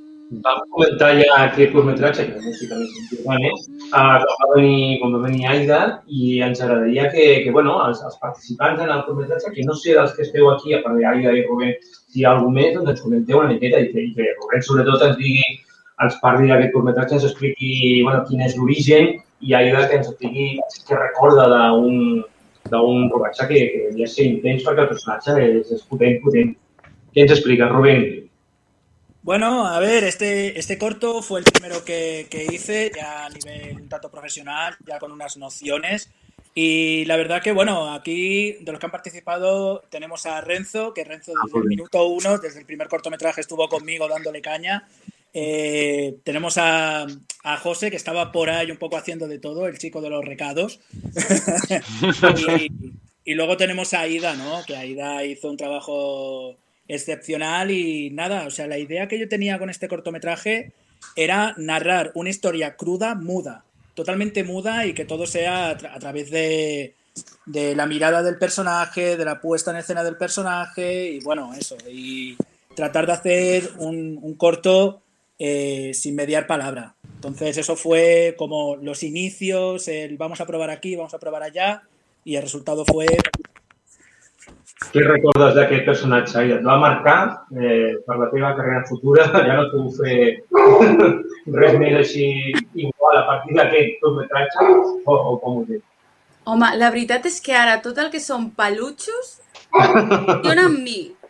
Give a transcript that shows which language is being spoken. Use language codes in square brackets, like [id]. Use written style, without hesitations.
[ca] Vam comentar ja aquest curtmetratge, que no sé si també és important, quan va venir Aida, i ens agradaria que bueno, els participants en el curtmetratge, que no sé dels que esteu aquí, a part d'Aida i Rubén, si hi ha algú més, doncs ens comenteu una miqueta i que Rubén sobretot ens digui, ens parli d'aquest curtmetratge, ens expliqui bueno, quin és l'origen i Aida que ens expliqui que recorda d'un rodatge que devia ser intens perquè el personatge és potent, potent. Què ens explica, Rubén? [es] Bueno, a ver, este corto fue el primero que hice ya a nivel un tanto profesional, ya con unas nociones. Y la verdad que, bueno, aquí de los que han participado tenemos a Renzo, que Renzo desde el minuto uno, desde el primer cortometraje estuvo conmigo dándole caña. Tenemos a José, que estaba por ahí un poco haciendo de todo, el chico de los recados. y luego tenemos a Aida, ¿no? Que Aida hizo un trabajo... excepcional y nada, o sea, la idea que yo tenía con este cortometraje era narrar una historia cruda, muda, totalmente muda y que todo sea a través de la mirada del personaje, de la puesta en escena del personaje y bueno, eso, y tratar de hacer un corto sin mediar palabra. Entonces eso fue como los inicios, el vamos a probar aquí, vamos a probar allá y el resultado fue... [ca] Què recordes d'aquest personatge? I et va marcar per la teva carrera futura? Ja no puc fer res més així igual a partir d'aquest curtmetratge o com ho dic? Home, la veritat és que ara tot el que són peluixos funciona amb mi.